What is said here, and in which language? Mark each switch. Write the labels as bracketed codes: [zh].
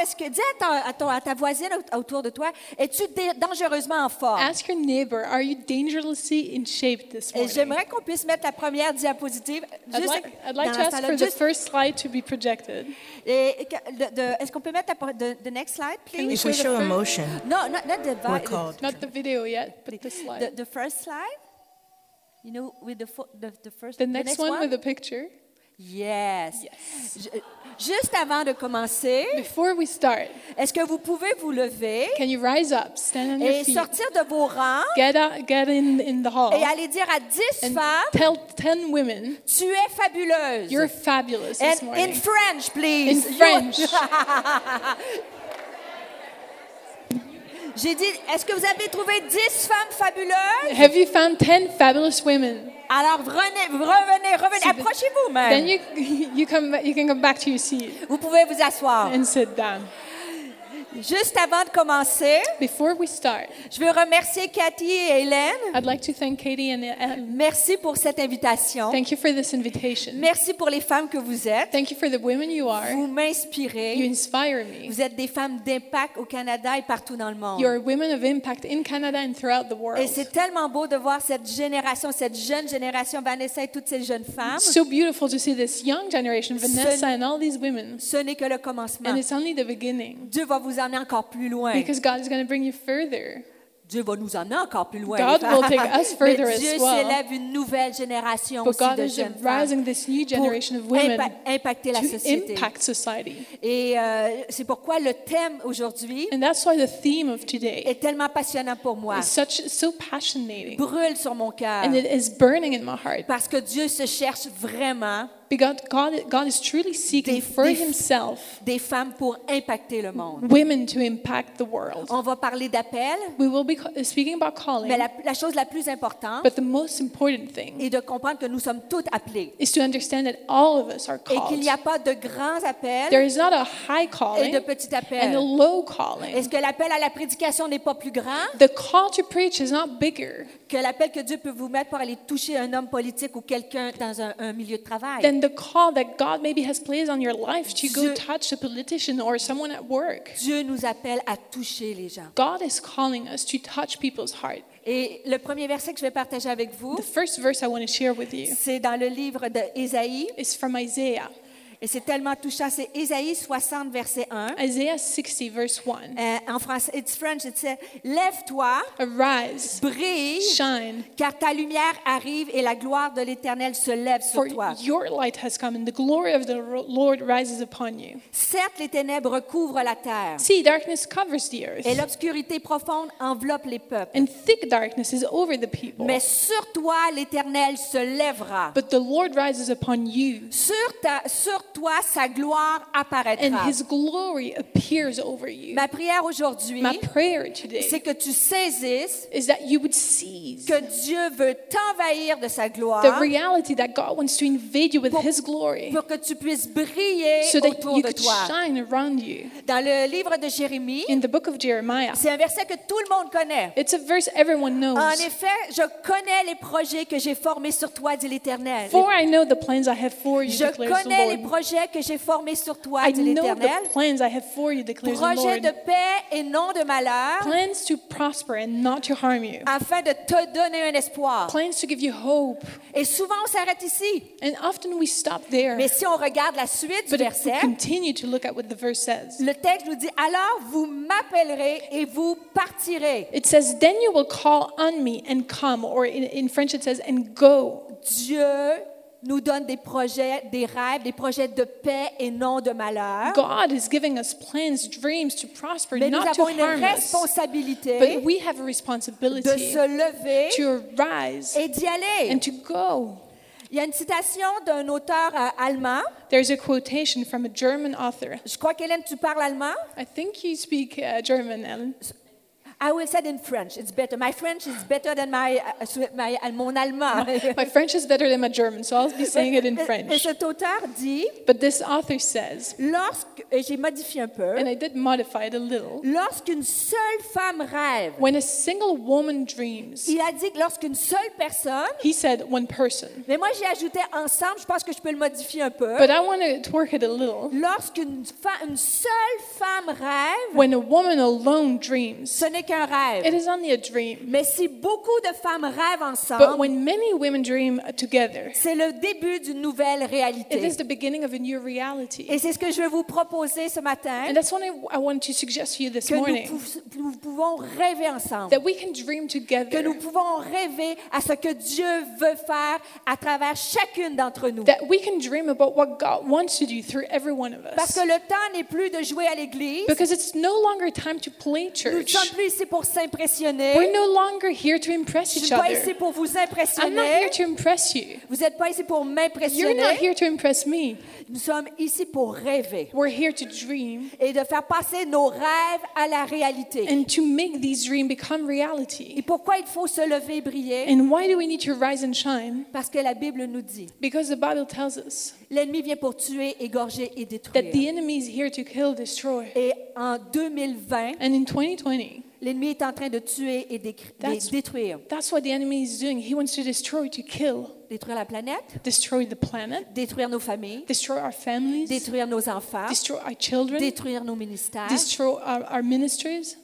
[fr] Est-ce que dis à ta voisine autour de toi, es-tu dangereusement en forme? [en] Ask your neighbor, are you dangerously in shape this morning? [fr] Et j'aimerais qu'on puisse mettre la première diapositive. [en] I'd like to ask for the first slide to be projected. [fr] Est-ce qu'on peut mettre [en] the next slide, please? Can we show emotion? Not the video yet, but the slide. The first slide, you know, with the first. The next one with the picture. Yes. Yes. [fr] Juste avant de commencer. [en] Before we start. [fr] Est-ce que vous pouvez vous lever? [en] Can you rise up, stand on [fr] et [en] your feet? [fr] Et sortir de vos rangs. [en] Get in the hall. [fr] Et aller dire à 10 femmes. [en] Tell 10 women. [fr] Tu es fabuleuse. [en] You're fabulous. And this morning. In French, please. In French. [fr] J'ai dit, est-ce que vous avez trouvé 10 femmes fabuleuses? [en] Have you found 10 fabulous women? [fr] Alors revenez, approchez-vous même. [en] Then you can come back to your seat. [fr] Vous pouvez vous asseoir. [en] And sit down. [fr] Juste avant de commencer, [en] before we start, [fr] je veux remercier Cathy et Hélène. [en] I'd like to thank Katie and Hélène. [fr] Merci pour cette invitation. [en] Thank you for this invitation. [fr] Merci pour les femmes que vous êtes. [en] Thank you for the women you are. [fr] Vous m'inspirez. [en] You inspire me. [fr] Vous êtes des femmes d'impact au Canada et partout dans le monde. [en] You are women of impact in Canada and throughout the world. [fr] Et c'est tellement beau de voir cette génération, cette jeune génération, Vanessa et toutes ces jeunes femmes. [en] It's so beautiful to see this young generation, Vanessa and all these women. [fr] Ce n'est que le commencement. [en] And it's only the beginning. [fr] Dieu va vous amener encore plus loin. [en] Because God is going to bring you further. [fr] Dieu va nous amener encore plus loin. [en] God will take us further as well. [fr] Dieu s'élève une nouvelle génération aussi de jeunes femmes. [en] But God is rising this new generation of women [fr] impacter la société. [en] To impact society. [fr] Et c'est pourquoi le thème aujourd'hui. [en] And that's why the theme of today [fr] est tellement passionnant pour moi. [en] Is such so passionate. [fr] Brûle sur mon cœur. [en] And it is burning in my heart. [fr] Parce que Dieu se cherche vraiment. [en] Because God is truly seeking for himself [fr] des femmes pour impacter le monde. [en] Women to impact the world. [fr] On va parler d'appel. [en] We will be speaking about calling. [fr] Mais la chose la plus importante, [en] but the most important thing, [fr] est de comprendre que nous sommes toutes appelées. [en] Is to understand that all of us are called. [fr] Et qu'il n'y a pas de grands appels. [en] There is not a high calling. [fr] Et de petits appels. [en] And a low calling. [fr] Est-ce que l'appel à la prédication n'est pas plus grand? [en] The call to preach is not bigger. [fr] Que l'appel que Dieu peut vous mettre pour aller toucher un homme politique ou quelqu'un dans un milieu de travail. [en] Then the call that God maybe has placed on your life to go touch a politician or someone at work. [fr] Dieu nous appelle à toucher les gens. [en] God is calling us to touch people's heart. [fr] Et le premier verset que je vais partager avec vous, [en] the first verse I want to share with you, [fr] c'est dans le livre d'Ésaïe. [en] It's from Isaiah. [fr] Et c'est tellement touchant. C'est Ésaïe 60, verset 1. [en] Isaiah 60, verse 1. [fr] En français, [en] it's French, it says, « [fr] Lève-toi, [en] arise, [fr] brille, [en] shine, [fr] car ta lumière arrive et la gloire de l'Éternel se lève sur toi. » [en] For your light has come and the glory of the Lord rises upon you. [fr] « Certes, les ténèbres couvrent la terre. » [en] See, darkness covers the earth. [fr] « Et l'obscurité profonde enveloppe les peuples. » [en] And thick darkness is over the people. [fr] « Mais sur toi, l'Éternel se lèvera. » [en] But the Lord rises upon you. [fr] « Sur toi, sa gloire apparaîtra. [en] And his glory appears over you. [fr] Ma prière aujourd'hui, [en] my prayer today, [fr] c'est que tu saisisses, [en] is that you would seize, [fr] que Dieu veut t'envahir de sa gloire, [en] the reality that God wants to invade you with his glory, [fr] pour que tu puisses briller [en] so [fr] autour [en] that you [fr] de [en] could [fr] toi. [en] Shine around you. [fr] Dans le livre de Jérémie, [en] in the book of Jeremiah, [fr] c'est un verset que tout le monde connaît. [en] It's a verse everyone knows. [fr] En effet, je connais les projets que j'ai formés sur toi, dit l'Éternel. [en] For I know the plans I have for you, [fr] je [en] declares the Lord. [fr] Projet que j'ai formé sur toi, [en] I know the plans I have for you, declares [fr] projet [en] the Lord. [fr] Projet de paix et non de malheur. [en] Plans to prosper and not to harm you. [fr] Afin de te donner un espoir. [en] Plans to give you hope. [fr] Et souvent on s'arrête ici. [en] And often we stop there. [fr] Mais si on regarde la suite [en] but [fr] du verset, [en] we continue to look at what the verse says. [fr] Le texte nous dit, alors vous m'appellerez et vous partirez. [en] It says, then you will call on me and come, or in French it says, and go. [fr] Dieu nous donne des projets, des rêves, des projets de paix et non de malheur. [en] God is giving us plans, dreams to prosper, [fr] mais [en] not to harm us. [fr] Mais nous avons une responsabilité. [en] But we have a responsibility [fr] de se lever, [en] to arise, [fr] et d'y aller, [en] and to go. [fr] Il y a une citation d'un auteur allemand. [en] There's a quotation from a German author. [fr] Je crois qu'Hélène, tu parles allemand. [en] I think you speak German, Hélène. I will say it in French. It's better. My French is better than my [fr] mon allemand. [en] My French is better than my German, so I'll be saying it in French. [fr] Et cet auteur dit, [en] but this author says, [fr] lorsque, j'ai modifié un peu, [en] and I did modify it a little, [fr] lorsqu'une seule femme rêve, [en] when a single woman dreams, [fr] il a dit que lorsqu'une seule personne, [en] he said one person, [fr] mais moi j'ai ajouté ensemble, je pense que je peux le modifier un peu, [en] but I want to twerk it a little, [fr] lorsqu'une une seule femme rêve, [en] when a woman alone dreams, [fr] ce n'est qu'un rêve. [en] It is only a dream. [fr] Mais si beaucoup de femmes rêvent ensemble, [en] but when many women dream together, [fr] c'est le début d'une nouvelle réalité. [en] It is the beginning of a new reality. [fr] Et c'est ce que je vais vous proposer ce matin. [en] And that's what I want to suggest to you this [fr] que [en] morning. [fr] Nous pouvons rêver ensemble. [en] That we can dream together. [fr] Que nous pouvons rêver à ce que Dieu veut faire à travers chacune d'entre nous. [en] That we can dream about what God wants to do through every one of us. [fr] Parce que le temps n'est plus de jouer à l'église. [en] Because it's no longer time to play church. [fr] Nous sommes plus ici pour s'impressionner. [en] We're no longer here to impress each other. [fr] Je ne suis pas ici pour vous impressionner. [en] I'm not here to impress you. [fr] Vous n'êtes pas ici pour m'impressionner. [en] You're not here to impress me. [fr] Nous sommes ici pour rêver. [en] We're here to dream. [fr] Et de faire passer nos rêves à la réalité. [en] And to make these dreams become reality. [fr] Et pourquoi il faut se lever et briller? [en] And why do we need to rise and shine? [fr] Parce que la Bible nous dit. [en] Because the Bible tells us. [fr] L'ennemi vient pour tuer, égorger et détruire. [en] That the enemy is here to kill, destroy. [fr] Et en 2020. [en] And in 2020. [fr] L'ennemi est en train de tuer et détruire. [en] That's what the enemy is doing. He wants to destroy, to kill. [fr] Détruire la planète. [en] Destroy the planet. [fr] Détruire nos familles. [en] Destroy our families. [fr] Détruire nos enfants. [en] Destroy our children. [fr] Détruire nos ministères. [en] Destroy our ministries.